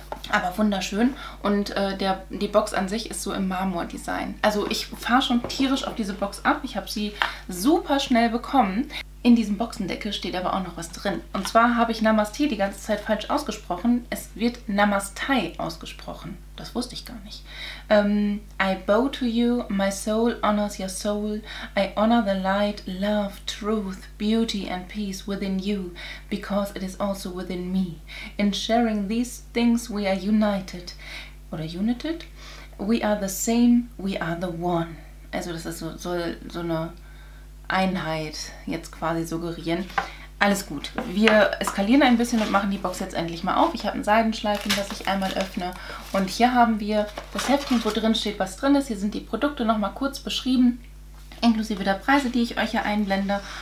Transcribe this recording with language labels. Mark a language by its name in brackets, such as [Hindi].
[German] Aber wunderschön und die Box an sich ist so im Marmor-Design. Also ich fahre schon tierisch auf diese Box ab. Ich habe sie super schnell bekommen. In diesem Boxendeckel steht aber auch noch was drin. Und zwar habe ich Namaste die ganze Zeit falsch ausgesprochen. Es wird Namaste ausgesprochen. Das wusste ich gar nicht. [English] I bow to you, my soul honors your soul. I honor the light, love, truth, beauty and peace within you, because it is also within me. In sharing these things we are united. Oder united? We are the same, we are the one. [German] Also das ist so eine Einheit jetzt quasi suggerieren. Alles gut. Wir eskalieren ein bisschen und machen die Box jetzt endlich mal auf. Ich habe ein Seidenschleifchen, das ich einmal öffne. Und hier haben wir das Heftchen, wo drin steht, was drin ist. Hier sind die Produkte nochmal kurz beschrieben, inklusive der Preise, die ich euch hier einblende.